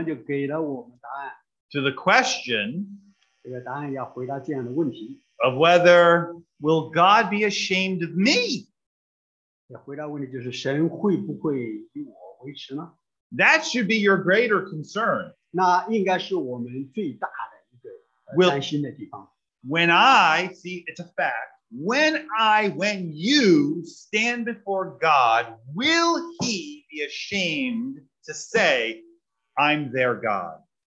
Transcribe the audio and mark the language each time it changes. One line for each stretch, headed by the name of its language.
Chinese: 在马太福音第五章就给了我们答案
English: to the question
Chinese: 这个答案要回答这样的问题
English: of whether will God be ashamed of me?
Chinese: 回答问题就是神会不会以我为耻呢？
English: That should be your greater concern.
Chinese: 那应该是我们最大的一个担心的地方。
English: When you stand before God, will he be ashamed to say, I'm their God.